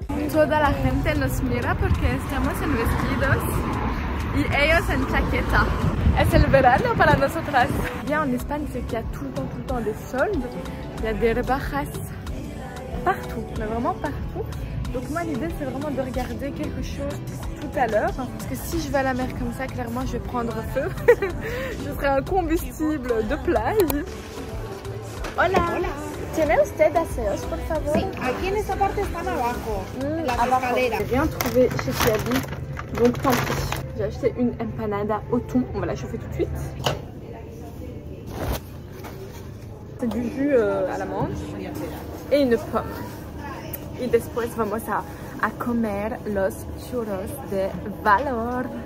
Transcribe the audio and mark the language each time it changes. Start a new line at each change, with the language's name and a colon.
Spanish: Toda la gente nos mira porque estamos en vestidos y ellos en chaqueta. Es el verano para nosotras.
French: Bien en Espagne, c'est qu'il y a tout le temps des soldes, il y a des rebajas partout, mais vraiment partout. Donc moi l'idée c'est vraiment de regarder quelque chose tout à l'heure. Parce que si je vais à la mer comme ça, clairement je vais prendre feu. Je serai un combustible de plage.
Spanish: Hola. Hola. ¿Tiene usted aseos, por favor? Sí, aquí en esta parte están abajo. Abajo.
French: J'ai rien trouvé chez Kiabi, donc tant pis. J'ai acheté une empanada au thon, on va la chauffer tout de suite. C'est du jus à la menthe et une pomme.
Spanish: Y después vamos a comer los churros de Valor.